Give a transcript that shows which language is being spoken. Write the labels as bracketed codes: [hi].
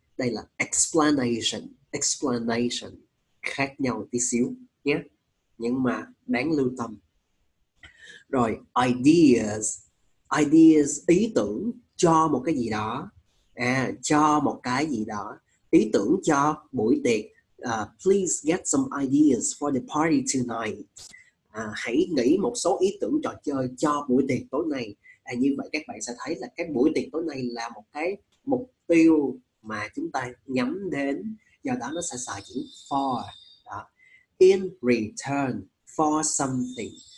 [vi] Đây là explanation, explanation. Khác nhau tí xíu nhé, nhưng mà đáng lưu tâm. Rồi, ideas. Ideas, ý tưởng cho một cái gì đó. À, cho một cái gì đó. Ý tưởng cho buổi tiệc. [en] Please get some ideas for the party tonight. [vi] À, hãy nghĩ một số ý tưởng trò chơi cho buổi tiệc tối nay. À, như vậy các bạn sẽ thấy là cái buổi tiệc tối nay là một cái mục tiêu mà chúng ta nhắm đến. Do đó nó sẽ xài chữ for. Đó. [en] In return for something.